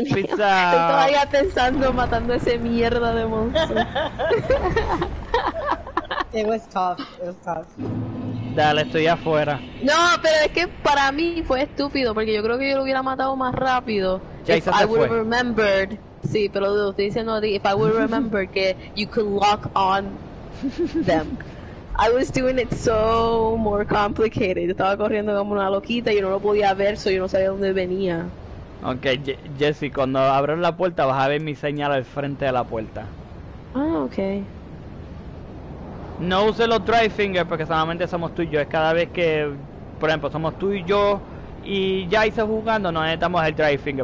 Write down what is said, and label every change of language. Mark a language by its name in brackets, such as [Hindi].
[Spanish] Estoy todavía pensando matando ese mierda de monstruo. [English] It was tough. [Spanish] Dale, estoy afuera. No, pero es que para mí fue estúpido, porque yo creo que yo lo hubiera matado más rápido. Jaiza, [English] if I would have remembered. [Spanish] Sí, pero lo estoy diciendo a ti. [English] If I would have remembered que you could lock on them. I was doing it so more complicated. [Spanish] Estaba corriendo como una loquita y yo no lo podía ver, so yo no sabía dónde venía. Ok, Jesse, cuando abras la puerta vas a ver mi señal al frente de la puerta. Ah, ok. No use los Dry Fingers porque solamente somos tú y yo. Es cada vez que, por ejemplo, somos tú y yo y Yaiza jugando, no necesitamos el Dry Finger.